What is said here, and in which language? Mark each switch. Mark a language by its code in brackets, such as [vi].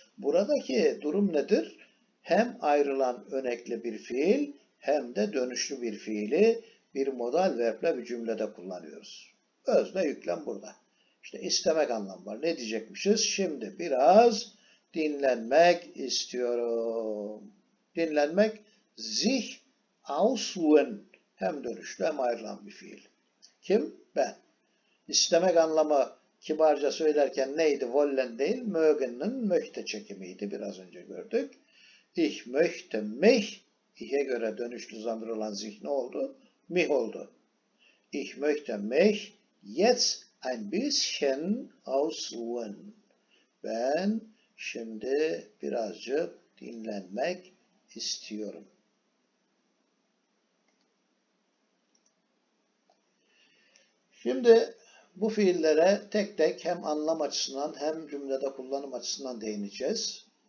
[tr] Buradaki durum nedir? Hem ayrılan önekli bir fiil hem de dönüşlü bir fiili bir modal verble bir cümlede kullanıyoruz. Özne yüklem burada. İşte istemek anlamı var. Ne diyecekmişiz? Şimdi biraz dinlenmek istiyorum. Dinlenmek sich ausruhen. Hem dönüşlü hem ayrılan bir fiil. Kim? Ben. İstemek anlamı kibarca söylerken neydi? Wollen değil. Mögen'in möchte çekimiydi. Biraz önce gördük. [de] Ich möchte mich. [tr] İh'e göre dönüşlü zamir olan sich ne oldu? Mich oldu. [de] Ich möchte mich jetzt ein bisschen ausruhen. [tr] Ben şimdi birazcık dinlenmek istiyorum. Şimdi bu fiillere tek tek hem anlam açısından hem cümlede kullanım açısından değineceğiz.